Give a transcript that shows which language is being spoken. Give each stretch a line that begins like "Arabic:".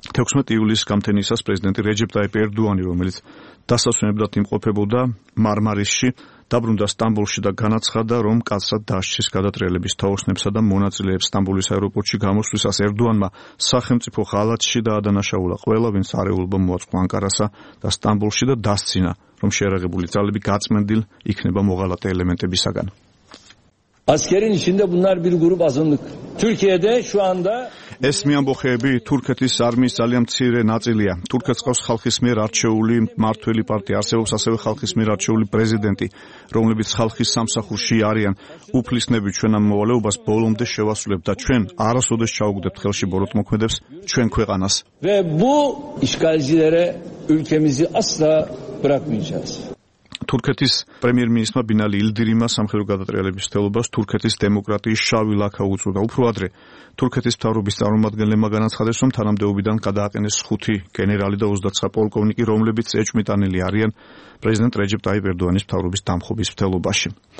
Georgian: 16 ივლისის გამთენიისას პრეზიდენტი რეჯეპ ტაიპ ერდუანი, რომელიც დასასვენებლად იმყოფებოდა მარმარისში, დაბრუნდა სტამბოლში და განაცხადა, რომ კაცრად დასჯის გადატრიალების თაოსნებსა და მონაწილეებს სტამბოლის აეროპორტში. გამოსვლისას ერდუანმა სახელმწიფო ღალატში დაადანაშაულა ყველა, ვინც არეულობა მოაწყო ანკარასა და სტამბოლში და დასცინა, რომ შეერაღებული ძალები გაწმენდილ იქნება მოღალატე ელემენტებისაგან.
Turkish: Askerin içinde bunlar bir grup azınlık. Türkiye'de şu anda
Georgian: ეს მიამბოხეები თურქეთის არმიის ძალიან მცირე ნაწილია. თურქეთს ყავს ხალხის მიერ არჩეული მართველი პარტია, არსებობს ასევე ხალხის მიერ არჩეული პრეზიდენტი, რომლებიც ხალხის სამსახურში არიან. უფლისნები ჩვენ ამ მოვალეობას ბოლომდე შევასრულებთ და ჩვენ არასოდეს ჩაუგდებთ ხელში ბოროტმოქმედებს ჩვენ ქვეყანას.
Turkish: Ve bu işgalcilere ülkemizi asla bırakmayacağız.
Georgian: თურქეთის პრემიერ-მინისტრმა ბინალი ილდირიმმა სამხედრო გადატრიალების მსვლელობას თურქეთის დემოკრატიის შავი ლაქა უწოდა. უფრო ადრე თურქეთის მთავრობის წარმომადგენლებმა განაცხადეს, რომ თანამდებობიდან გადააყენეს 5 გენერალი და 29 პოლკოვნიკი, რომლებიც ეჭვმიტანილი არიან პრეზიდენტ რეჯეპ ტაიპ ერდოანის მთავრობის დამხობის მსვლელობაში.